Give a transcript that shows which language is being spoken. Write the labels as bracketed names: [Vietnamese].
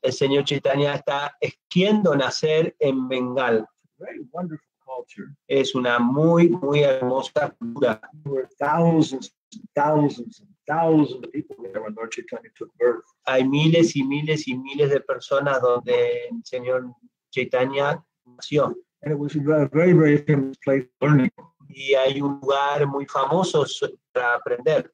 [Spanish] El señor Chaitanya está eligiendo nacer en Bengal. [English] Very wonderful culture. [Spanish] Es una muy, muy hermosa cultura. [English] There were thousands, thousands, thousands of people there when Lord Chaitanya took birth. [Spanish] Hay miles y miles y miles de personas donde el señor Chaitanya nació. [English] And it was a very, very famous place for learning. [Spanish] Y hay un lugar muy famoso para aprender.